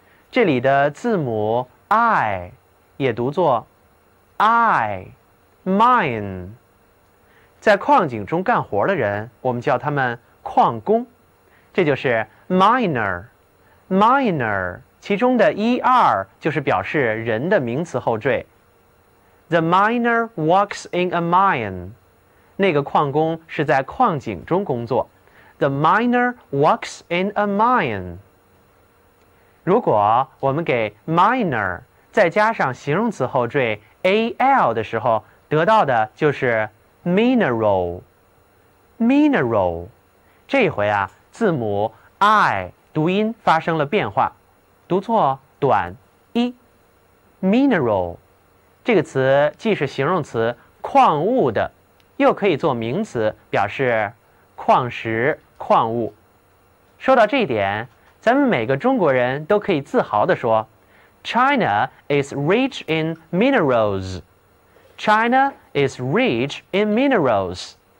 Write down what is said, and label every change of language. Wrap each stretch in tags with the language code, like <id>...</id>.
<zh>这里的字母 i 也读作 i mine， 在矿井中干活的人我们叫他们矿工，这就是 minor, minor, 其中的ER就是表示人的名词后缀。</zh> <en>The miner works in a mine.</en> <zh>那个矿工是在矿井中工作。</zh> <en>The miner works in a mine.</en> <zh>如果我们给 miner 再加上形容词后缀 AL 的时候，得到的就是 mineral.</zh> <en>Mineral.</en> <zh>这回啊，字母 I 读音发生了变化，读错短 E.</zh> <en>Mineral.</en> <zh>这个词既是形容词矿物的，又可以做名词表示矿石矿物。说到这一点，咱们每个中国人都可以自豪地说</zh> <en>China is rich in minerals. China is rich in minerals.</en>